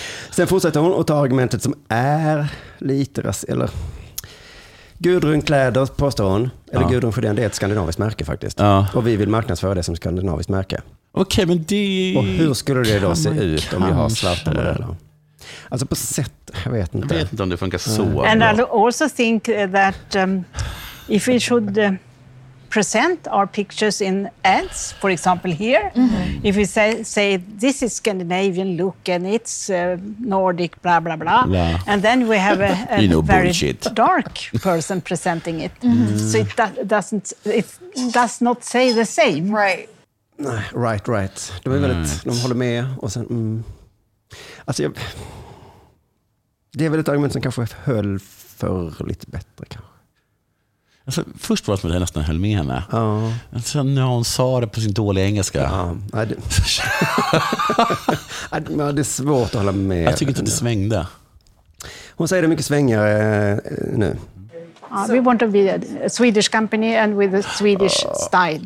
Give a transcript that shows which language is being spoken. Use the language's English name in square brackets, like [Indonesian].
[Swedish] Sen fortsätter hon och tar argumentet som är lite eller Gudrun kläder, påstår hon. Eller Gudrun för den, det är ett skandinaviskt märke faktiskt. Ja. Och vi vill marknadsföra det som skandinaviskt märke. Okej, men det... Och hur skulle det då se ut om vi har svarta modeller? Alltså på sätt, jag vet inte om det funkar så. [English] And I also think that if we should present our pictures in ads, for example here, if we say this is Scandinavian look and it's Nordic, blah blah blah, and then we have a you know, very bullshit. Dark person presenting it, so it does not say the same, right? Right, right. [Swedish] De är väldigt, de håller med och sen. Alltså jag, det är väl ett argument som kanske höll för lite bättre kanske. Alltså, först var det som jag nästan höll med henne. Ja. Men sen när hon sa det på sin dåliga engelska. Ja. Nej, det är svårt att hålla med. Jag tycker inte det svängde. Hon säger det mycket svängare nu. [English] We want to be a Swedish company and with a Swedish style.